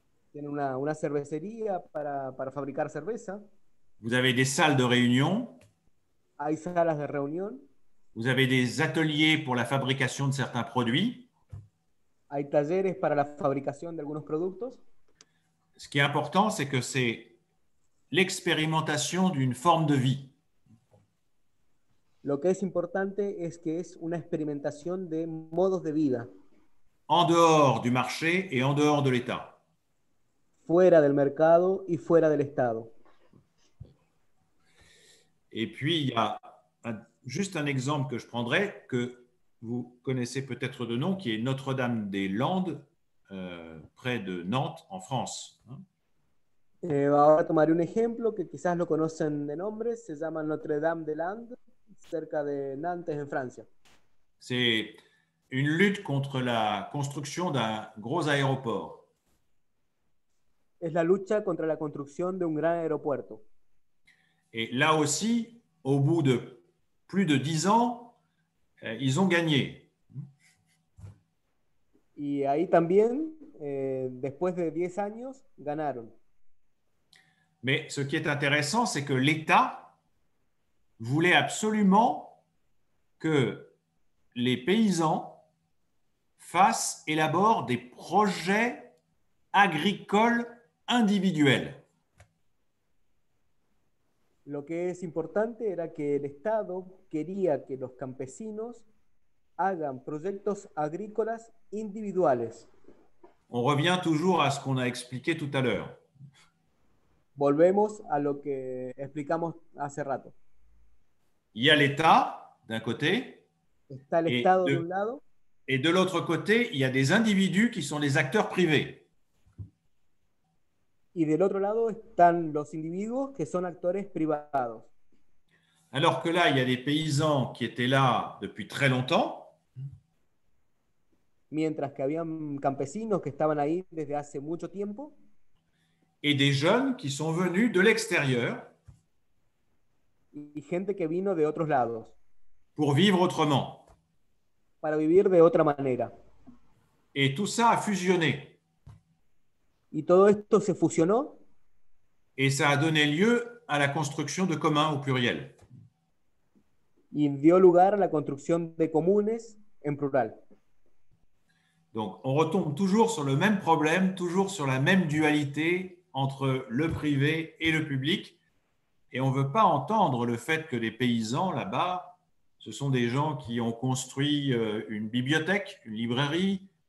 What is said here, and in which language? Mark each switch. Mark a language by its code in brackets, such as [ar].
[es] Tiene una cervecería para fabricar cerveza. [fr] Vous avez des salles de réunion. [es] Hay salas de reunión. [fr] Vous avez des ateliers pour la fabrication de certains produits. [es] Hay talleres para la fabricación de algunos productos. [fr] Ce qui est important, c'est que c'est l'expérimentation d'une forme de vie. [es] Lo que es importante es que es una experimentación de modos de vida. [fr] En dehors du marché et en dehors de l'État. [es] Fuera del mercado y fuera del Estado. [fr] Et puis, il y a juste un exemple que je prendrai, que vous connaissez peut-être de nom, qui est Notre-Dame-des-Landes, près de Nantes, en France. [es] Ahora tomaré un ejemplo que quizás lo conocen de nombre, se llama Notre-Dame-des-Landes, cerca de Nantes, en Francia. [fr] C'est une lutte contre la construction d'un gros aéroport. [es] Es la lucha contra la construcción de un gran aeropuerto. [fr] Et là aussi, au bout de plus de 10 ans, ils ont gagné. [es] Y ahí también, después de 10 años, ganaron. [fr] Mais ce qui est intéressant, c'est que l'État voulait absolument que les paysans fassent, élaborent des projets agricoles individuels. [es] Lo que es importante era que el Estado quería que los campesinos hagan proyectos agrícolas individuales. [fr] On revient toujours à ce qu'on a expliqué tout à l'heure. [es] Volvemos a lo que explicamos hace rato. [fr] Il y a l'État, d'un côté. [es] Está el Estado de un lado. [fr] Et de l'autre côté, il y a des individus qui sont les acteurs privés. [es] Y del otro lado están los individuos que son actores privados. [fr] Alors que là, il y a des paysans qui étaient là depuis très longtemps. [es] Mientras que habían campesinos que estaban ahí desde hace mucho tiempo. [fr] Et des jeunes qui sont venus de l'extérieur. [es] Y gente que vino de otros lados. [fr] Pour vivre autrement. [es] Para vivir de otra manera. [fr] Et tout ça a fusionné. [es] Y todo esto se fusionó. [fr] Et ça a donné lieu à la construction de communs au pluriel. [es] Y dio lugar a la construcción de comunes en plural. [fr] Donc, on retombe toujours sur le même problème, toujours sur la même dualité entre le privé et le public. Et on ne veut pas entendre le fait que les paysans, là-bas, ce sont des gens qui ont construit une bibliothèque, une librairie.